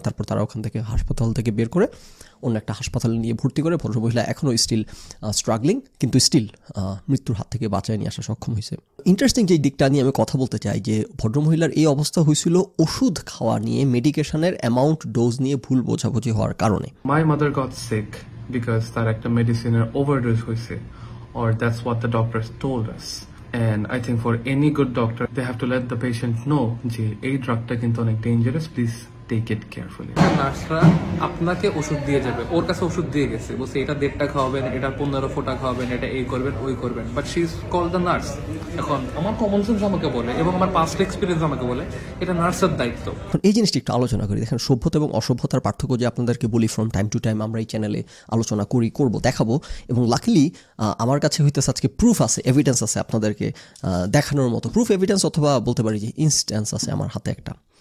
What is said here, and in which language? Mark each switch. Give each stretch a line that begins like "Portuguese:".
Bangla: তারপর তারা ওখান থেকে হাসপাতাল থেকে বের করে অন্য একটা হাসপাতালে নিয়ে ভর্তি করে, ভদ্র মহিলা এখনও স্টিল স্ট্রাগলিং, কিন্তু স্টিল মৃত্যুর হাত থেকে বাঁচায় নিয়ে আসা সক্ষম হয়েছে। ইন্টারেস্টিং যে দিকটা নিয়ে আমি কথা বলতে চাই, যে ভদ্রমহিলার এই অবস্থা হয়েছিল ওষুধ খাওয়া নিয়ে, মেডিকেশনের অ্যামাউন্ট ডোজ নিয়ে ভুল বোঝাবুঝি হওয়ার কারণে।
English: my mother got sick because
Bangla: তার একটা মেডিসিনের ওভারডোজ হয়েছে,
English: Or that's what the doctors told us. And I think for any good doctor, they have to let the patient know that this drug is dangerous, please take it carefully.
Bangla: নার্সরা আপনাকে ওষুধ দিয়ে যাবে, ওর কাছে ওষুধ দিয়ে গেছে, বলছে এটা দেড়টা খাওয়াবেন, এটা 15 ফোঁটা খাওয়াবেন, এটা এই করবেন ওই করবেন,
English: But she is call the nurse.
Bangla: এখন আমার কমন সেন্স আমাকে বলে এবং আমার পাস্ট এক্সপিরিয়েন্স আমাকে বলে এটা নার্সের দায়িত্ব। এই জিনিসটি একটু আলোচনা করি, দেখেন সভ্যতা এবং অসভ্যতার পার্থক্য যে আপনাদেরকে বলি
English: from time to time,
Bangla: আমরা এই চ্যানেলে আলোচনা করি, করবো, দেখাবো, এবং লাকিলি আমার কাছে হইতেছে আজকে প্রুফ আছে, এভিডেন্স আছে আপনাদেরকে দেখানোর মতো, প্রুফ এভিডেন্স অথবা বলতে পারি যে ইনস্ট্যান্স আছে আমার হাতে একটা।